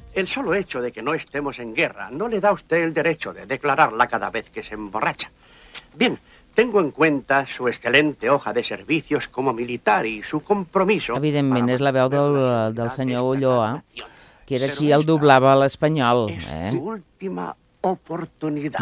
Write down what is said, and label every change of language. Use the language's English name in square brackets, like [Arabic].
[Spanish] El solo hecho de que no estemos en guerra no le da usted el derecho de declararla cada vez que se emborracha. Bien, tengo en cuenta su excelente hoja de servicios como militar y su compromiso... [Catalan] Evidentment, és la veu del senyor Ulloa, que era qui el doblava a l'espanyol. [Spanish] És su última oportunidad.